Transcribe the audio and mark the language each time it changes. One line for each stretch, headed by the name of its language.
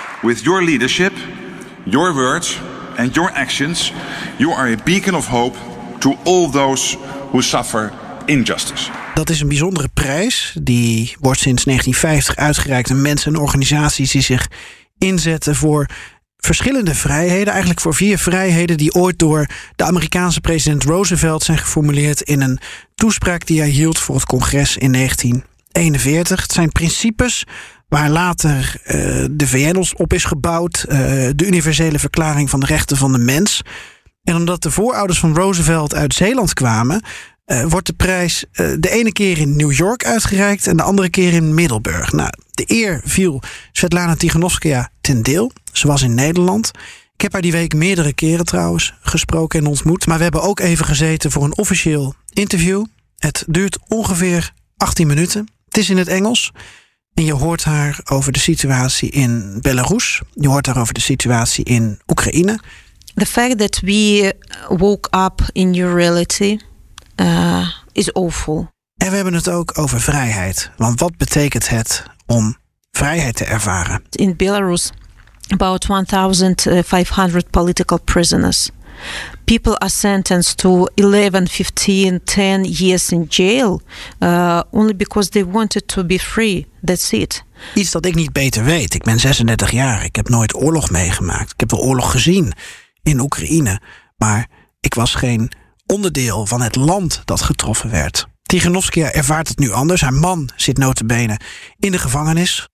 English: With your leadership, your words and your actions, you are a beacon of hope to all those who suffer injustice.
Dutch: Dat is een bijzondere prijs. Die wordt sinds 1950 uitgereikt aan mensen en organisaties die zich inzetten voor verschillende vrijheden, eigenlijk voor 4 vrijheden die ooit door de Amerikaanse president Roosevelt zijn geformuleerd in een toespraak die hij hield voor het congres in 1941. Het zijn principes waar later de VN op is gebouwd, de universele verklaring van de rechten van de mens. En omdat de voorouders van Roosevelt uit Zeeland kwamen, wordt de prijs de ene keer in New York uitgereikt en de andere keer in Middelburg. Nou, de eer viel Svetlana Tikhanovskaya ten deel. Ze was in Nederland. Ik heb haar die week meerdere keren trouwens gesproken en ontmoet. Maar we hebben ook even gezeten voor een officieel interview. Het duurt ongeveer 18 minuten. Het is in het Engels. En je hoort haar over de situatie in Belarus. Je hoort haar over de situatie in Oekraïne.
English: The fact that we woke up in your reality is awful.
Dutch: En we hebben het ook over vrijheid. Want wat betekent het om vrijheid te ervaren?
English: In Belarus, about 1,500 political prisoners. People are sentenced to 11, 15, 10 years in jail only because they wanted to be free. That's it.
Dutch: Iets dat ik niet beter weet. Ik ben 36 jaar. Ik heb nooit oorlog meegemaakt. Ik heb wel oorlog gezien in Oekraïne. Maar ik was geen onderdeel van het land dat getroffen werd. Tikhanovskaya ervaart het nu anders. Haar man zit notabene in de gevangenis.